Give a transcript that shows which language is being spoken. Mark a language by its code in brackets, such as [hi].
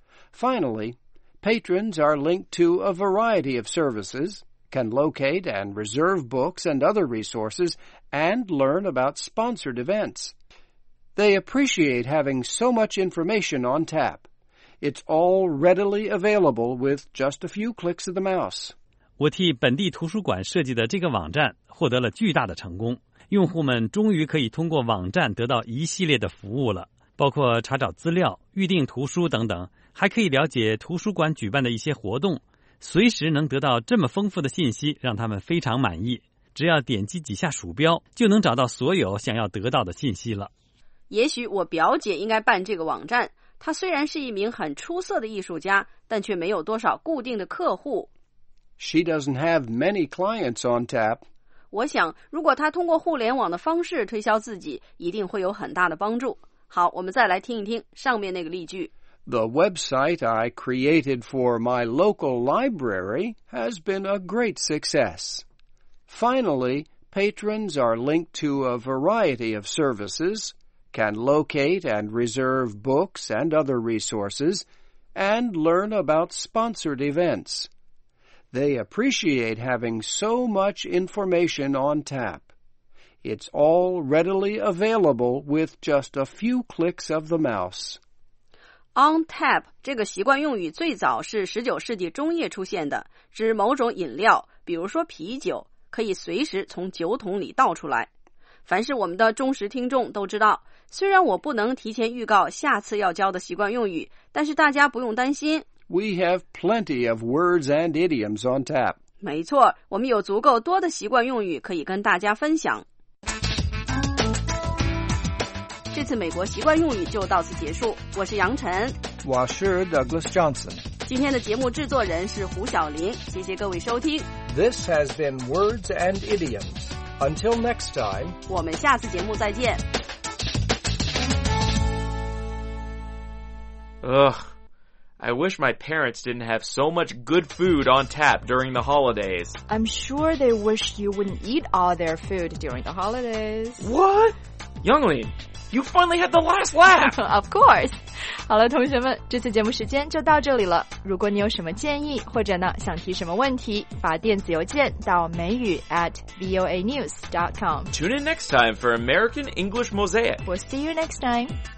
[en] Finally, patrons are linked to a variety of services, can locate and reserve books and other resources, and learn about sponsored events. They appreciate having so much information on tap. It's all readily available with just a few clicks of the mouse. [zh] 我替本地图书馆设计的这个网站获得了巨大的成功。用户们终于可以通过网站得到一系列的服务了，包括查找资料、预订图书等等，还可以了解图书馆举办的一些活动。随时能得到这么丰富的信息，让他们非常满意。只要点击几下鼠标，就能找到所有想要得到的信息了。也许我表姐应该办这个网站，她虽然是一名很出色的艺术家，但却没有多少固定的客户。 [en] She doesn't have many clients on tap. [zh] 我想，如果她通过互联网的方式推销自己，一定会有很大的帮助。好，我们再来听一听上面那个例句。 [en] The website I created for my local library has been a great success. Finally, patrons are linked to a variety of services. Can locate and reserve books and other resources, and learn about sponsored events. They appreciate having so much information on tap. It's all readily available with just a few clicks of the mouse. [zh] On tap 这个习惯用语最早是19世纪中叶出现的，指某种饮料，比如说啤酒，可以随时从酒桶里倒出来。凡是我们的忠实听众都知道，虽然我不能提前预告下次要教的习惯用语，但是大家不用担心。 [en] We have plenty of words and idioms on tap. [zh] 没错，我们有足够多的习惯用语可以跟大家分享。这次美国习惯用语就到此结束，我是杨晨。我是 Douglas Johnson。今天的节目制作人是胡晓林，谢谢各位收听。 [en] This has been Words and Idioms. Until next time, [zh] 我们下次节目再见。 [en] Ugh, I wish my parents didn't have so much good food on tap during the holidays. I'm sure they wish you wouldn't eat all their food during the holidays. What? Younglin, you finally had the last laugh! Of course! [zh] 好了，同学们，这次节目时间就到这里了。如果你有什么建议，或者呢想提什么问题，发电子邮件到美语@voanews.com. [en] Tune in next time for American English Mosaic. We'll see you next time.